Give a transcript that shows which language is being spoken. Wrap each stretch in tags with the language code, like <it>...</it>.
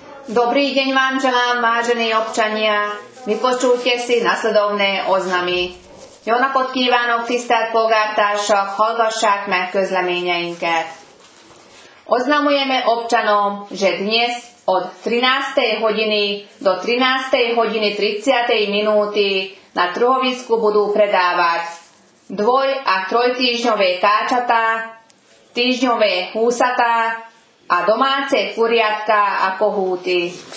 <sk>Dobrý deň vám želám, vážení občania. Vypočujte si nasledovné oznamy.</sk> <hu>Jó napot kívánok, tisztelt polgártársak, hallgassák meg közleményeinket.</hu> <sk>Oznamujeme občanom, že dnes od 13. hodiny do 13. hodiny 30. minúty na trhovisku budú predávať dvoj- a trojtýždňové káčatá, týždňové húsatá a domáce kuriatka a kohúty.</sk>